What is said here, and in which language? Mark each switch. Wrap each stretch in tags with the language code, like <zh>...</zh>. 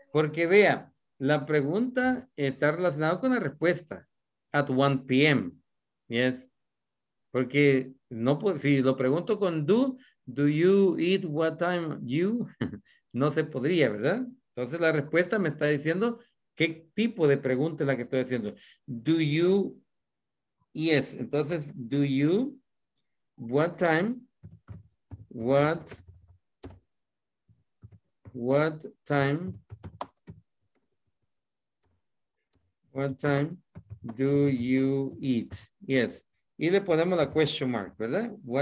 <es>Porque vea, la pregunta está relacionada con la respuesta.</es> <en>At 1 p.m. Yes.</en> <es>Porque no, si lo pregunto con</es> <en>do you eat what time you?</en> <es>No se podría, ¿verdad? Entonces la respuesta me está diciendo qué tipo de pregunta es la que estoy haciendo.</es> <en>Do you Yes,</en> <es>entonces,</es> <en>do you, what time do you eat?</en> <es>Yes, y le ponemos la question mark, ¿verdad?</es>